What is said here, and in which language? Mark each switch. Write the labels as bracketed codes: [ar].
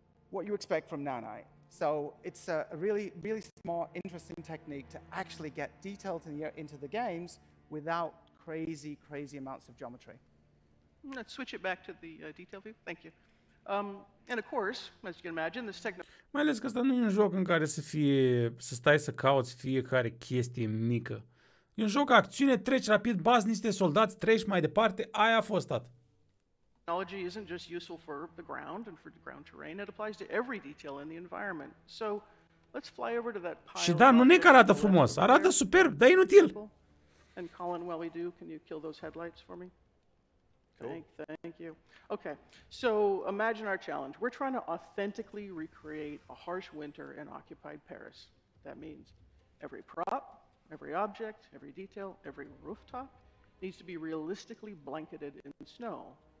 [en] What you expect from nanite. So it's a really, really smart, interesting technique to actually get details into the games without crazy, crazy amounts of geometry. Let's switch it back to the detail view. Thank you. And of course, as you can imagine, this technology... [ro] Mai ales că asta nu e un joc în care să stai să cauți fiecare chestie mică. E un joc acțiune, treci rapid, bazi niște soldați, treci mai departe, aia a fost tot. [en] Technology isn't just useful for the ground and for the ground terrain, it applies to every detail in the environment. So, let's fly over to that pile... [ro] Și da, nu ne că arată frumos, arată superb, dar inutil. [en] And Colin, while we do, can you kill those headlights for me? Thank you. Okay, so imagine our challenge. We're trying to authentically recreate a harsh winter in occupied Paris. That means every prop, every object, every detail, every rooftop needs to be realistically blanketed in snow.